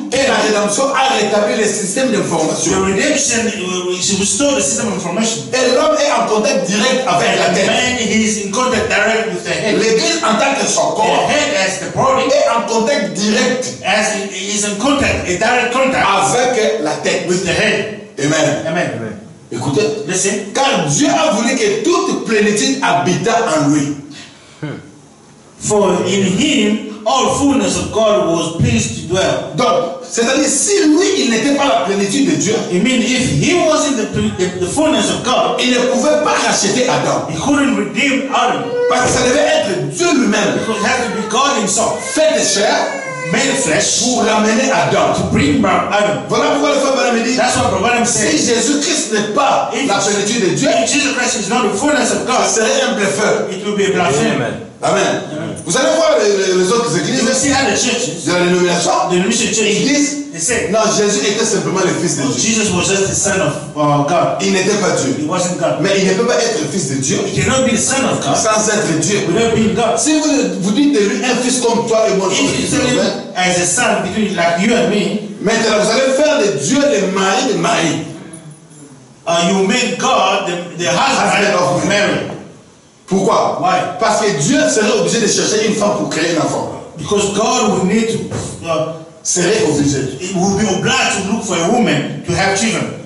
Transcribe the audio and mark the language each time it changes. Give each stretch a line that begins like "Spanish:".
French: Et la rédemption a rétabli le système d'information.
English: The redemption restored the system of information.
French: Et l'homme est en contact direct avec la tête.
English: Man, he is in contact direct with the head.
French: L'Église en tant que son corps.
English: The head as the body.
French: Est en contact direct.
English: As is in contact, a direct contact.
French: Avec la tête.
English: With the head. Amen. Amen.
French: Écoutez.
English: Listen.
French: Car Dieu a voulu que toute plénitude habitât en lui.
English: For in him all fullness of God was pleased to dwell.
French: Donc, c'est-à-dire si lui il n'était pas la plénitude de Dieu,
English: it means if he wasn't the fullness of God,
French: il ne pouvait pas racheter Adam.
English: He couldn't redeem Adam.
French: Parce que ça devait être Dieu lui-même.
English: Because it had to be God himself.
French: Fait de chair,
English: made flesh,
French: pour ramener Adam.
English: To bring back Adam.
French: Voilà pourquoi le frère Branham dit.
English: That's what Branham said.
French: Si Jésus Christ n'est pas la plénitude de Dieu,
English: if Jesus Christ is not the fullness of God,
French: ça serait un blasphème.
English: It would be a blasphème.
French: Amen. Amen. Vous allez voir les autres églises.
English: You see other churches.
French: De la dénomination.
English: The mission church.
French: Ils disent.
English: They say.
French: Non, Jésus était simplement le fils de Dieu.
English: Jesus was just the son of God.
French: Il n'était pas Dieu.
English: He wasn't God.
French: Mais il ne peut pas être fils de Dieu.
English: He cannot be the son of God.
French: Sans être Dieu.
English: Without being God.
French: Si vous dites de lui un fils comme toi et moi,
English: if you say him as a son between like you and me.
French: Maintenant, vous allez faire de Dieu le mari de Marie.
English: You make God the husband of Mary.
French: Pourquoi?
English: Why?
French: Parce que Dieu serait obligé de chercher une femme pour créer un enfant.
English: Because God would need to
French: serait obligé.
English: He would be obliged to look for a woman to have children.